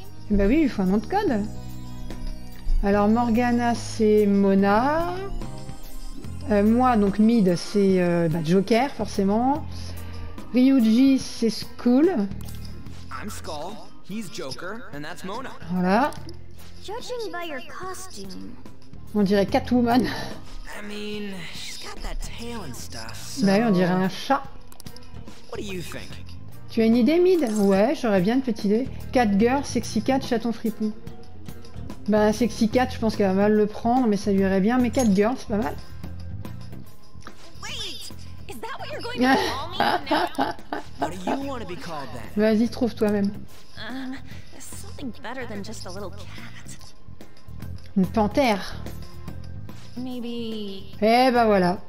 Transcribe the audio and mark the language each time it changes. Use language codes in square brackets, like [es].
[fr] Ben oui, il faut un autre code. Alors Morgana c'est Mona. Moi donc Mid c'est bah, Joker forcément. Ryuji c'est Skull. [en] I'm Skull. He's Joker, and that's Mona. [fr] Voilà. [en] Judging by your costume. [fr] On dirait Catwoman. [en] I mean, she's got that tail and stuff, so... [fr] Bah oui, on dirait un chat. [en] What do you think? [fr] Tu as une idée, Mid? Ouais, j'aurais bien une petite idée. Cat girl, sexy cat, chaton fripon. Bah, sexy cat, je pense qu'elle va mal le prendre, mais ça lui irait bien. Mais cat girl, c'est pas mal. [en] Wait, is that what you're going to call me now? What do you want to be called then? [fr] Vas-y, trouve toi-même. [en] Something better than just a little cat. [fr] Une panthère. [en] Maybe... [fr] Eh bah ben voilà.